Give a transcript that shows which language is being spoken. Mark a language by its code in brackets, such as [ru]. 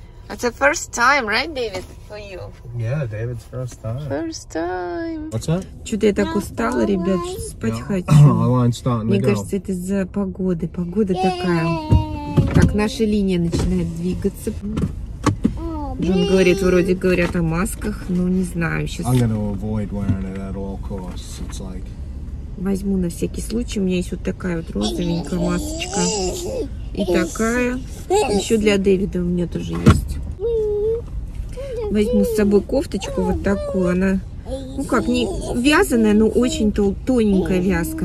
[en] It's the first time, right, David, for you? Yeah, David's first time. First time. What's that? [ru] Чудо, я так устала, ребят, спать хочу. [en] Line's starting to go. [ru] Мне кажется, это из-за погоды. Погода такая. Так, наша линия начинает двигаться. Джон говорит, вроде говорят о масках, но не знаю. Сейчас. [en] I'm gonna avoid wearing it at all costs. It's like. [ru] Возьму на всякий случай. У меня есть вот такая вот розовенькая масочка. И такая. Еще для Дэвида у меня тоже есть. Возьму с собой кофточку вот такую. Она, ну как, не вязаная, но очень тоненькая вязка.